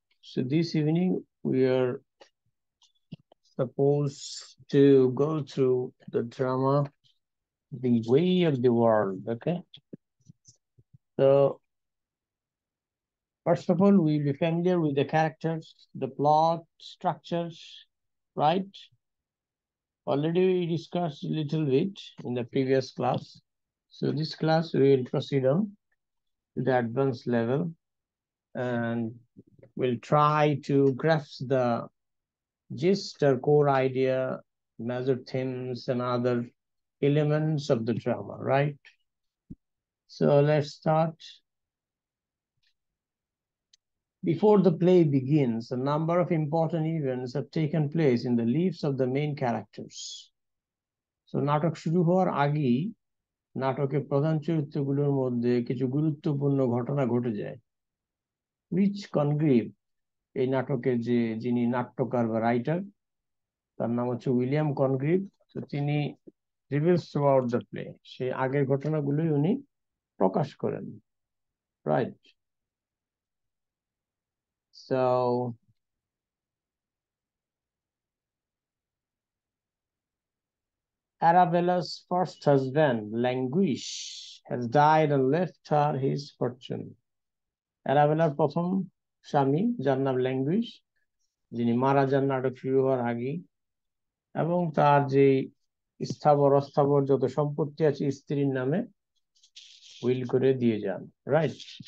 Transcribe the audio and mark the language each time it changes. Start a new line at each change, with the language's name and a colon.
English: So this evening we are suppose to go through the drama the way of the world. Okay, so first of all will be familiar with the characters, the plot structures, right? Already we discussed a little bit in the previous class. So this class we will proceed on to the advanced level, and we'll try to grasp the gist or core idea, major themes and other elements of the drama, right? So let's start. Before the play begins, a number of important events have taken place in the lives of the main characters.
Bangla: So, নাটক শুরু হওয়ার আগেই নাটকে প্রধান চরিত্রগুলোর মধ্যে কিছু গুরুত্বপূর্ণ ঘটনা ঘটে যায়। উইচ কনগ্রিভ, এই নাটকের যে যিনি নাট্যকার বা রাইটার, তার নাম হচ্ছে উইলিয়াম কনগ্রিভ। তো তিনি
English: reveals throughout the play,
Bangla: সেই আগের ঘটনাগুলোই উনি প্রকাশ করেন, right?
English: So, Arabella's first husband, Languish, has died and left her his fortune.
Bangla: Arabella's প্রথম স্বামী, যার নাম ল্যাঙ্গুইশ, যিনি মারা যান নাটক শুরু হওয়ার আগে, এবং তার যে স্থাবর অস্থাবর যত সম্পত্তি আছে স্ত্রীর নামে উইল করে দিয়ে যান, রাইট?